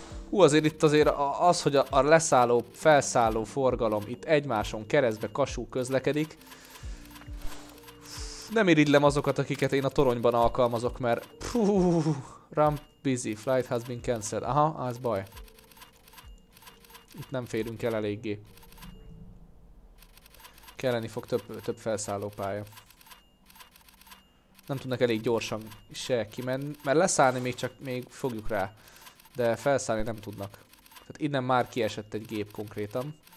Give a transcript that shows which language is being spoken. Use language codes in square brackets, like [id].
[hu] Azért itt azért az, hogy a leszálló, felszálló forgalom itt egymáson keresztbe kasú közlekedik. Nem iridlem azokat, akiket én a toronyban alkalmazok, mert... [en] Ramp busy, flight has been cancelled. [hu] Aha, az baj. Itt nem férünk el eléggé. Kelleni fog több felszálló pálya. Nem tudnak elég gyorsan se kimenni, mert leszállni még fogjuk rá. De felszállni nem tudnak. Tehát innen már kiesett egy gép konkrétan.